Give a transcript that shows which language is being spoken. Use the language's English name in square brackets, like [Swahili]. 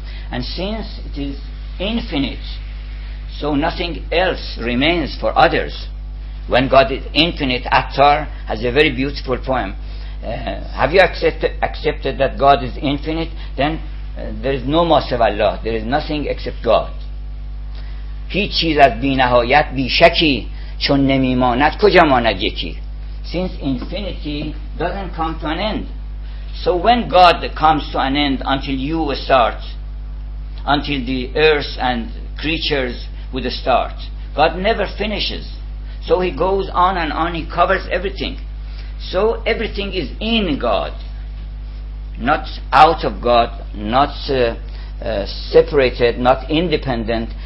[English] And since it is infinite, so nothing else remains for others. When God is infinite, Attar has a very beautiful poem. Have you accepted that God is infinite? Then there is no [Arabic] ma siwa Allah, [English] there is nothing except God. [Persian] هیچ چیز از بی نهایت بی شکی چون نمی ماند کجا ماند یکی. [English] Since infinity doesn't come to an end, so when God comes to an end until you start, until the earth and creatures would start, God never finishes. So he goes on and on, he covers everything. So everything is in God, not out of God, not separated, not independent.